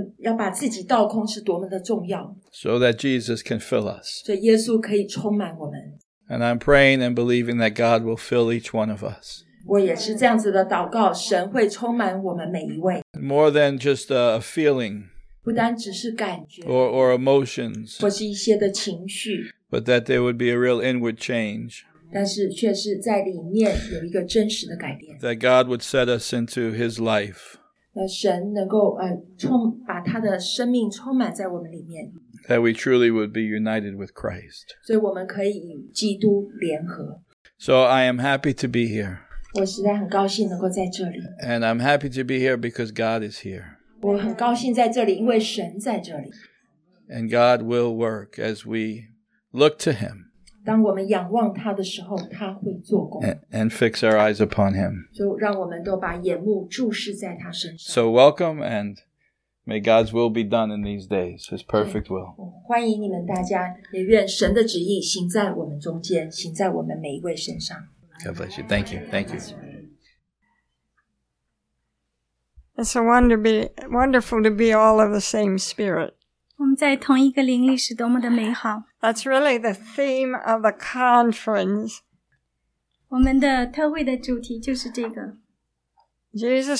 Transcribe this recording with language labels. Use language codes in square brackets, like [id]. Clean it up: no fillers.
[zh] 所以对我们，要把自己倒空是多么的重要。 [en] So that Jesus can fill us. [zh] 所以耶稣可以充满我们。 [en] And I'm praying and believing that God will fill each one of us. [zh] 我也是这样子的祷告，神会充满我们每一位。 [en] More than just a feeling. [zh] 不单只是感觉, [en] or emotions. [zh] 或是一些的情绪, [en] but that there would be a real inward change. [zh] 但是却是在里面有一个真实的改变, [en] that God would set us into His life. [zh] 神能够把他的生命充满在我们里面, [en] that we truly would be united with Christ. [zh] 所以我们可以与基督联合。 [en] So I am happy to be here. [zh] 我实在很高兴能够在这里。 [en] And I'm happy to be here because God is here. [zh] 我很高兴在这里，因为神在这里。 [en] And God will work as we look to Him. [zh] 当我们仰望他的时候，他会做工。 [en] And fix our eyes upon Him. [zh] 就让我们都把眼目注视在他身上。So [en] welcome, and may God's will be done in these days, His perfect will. [zh] 欢迎你们大家，也愿神的旨意行在我们中间，行在我们每一位身上。 [en] God bless you. Thank you. Thank you. It's a wonderful to be all of the same spirit. [zh] 我们在同一个灵力是多么的美好。That's [en] really the theme of the conference. [zh] 我们的特会的主题就是这个。Jesus